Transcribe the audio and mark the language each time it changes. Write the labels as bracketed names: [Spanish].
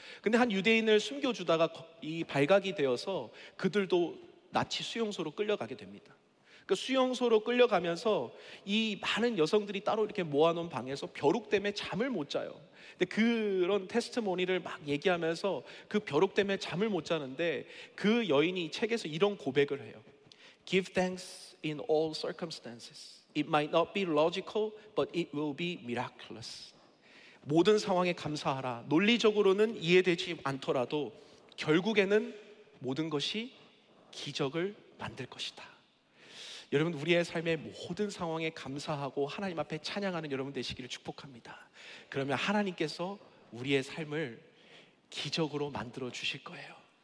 [Korean] 근데 한 유대인을 숨겨주다가 이 발각이 되어서 그들도 나치 수용소로 끌려가게 됩니다. 그 수용소로 끌려가면서 이 많은 여성들이 따로 이렇게 모아놓은 방에서 벼룩 때문에 잠을 못 자요. 근데 그런 테스트모니를 막 얘기하면서 그 벼룩 때문에 잠을 못 자는데 그 여인이 책에서 이런 고백을 해요. [English] Give thanks in all circumstances. It might not be logical, but it will be miraculous. [Korean] 모든 상황에 감사하라. 논리적으로는 이해되지 않더라도 결국에는 모든 것이 기적을 만들 것이다. 여러분, 우리의 삶의 모든 상황에 감사하고 하나님 앞에 찬양하는 여러분 되시기를 축복합니다. 그러면 하나님께서 우리의 삶을 기적으로 만들어 주실 거예요.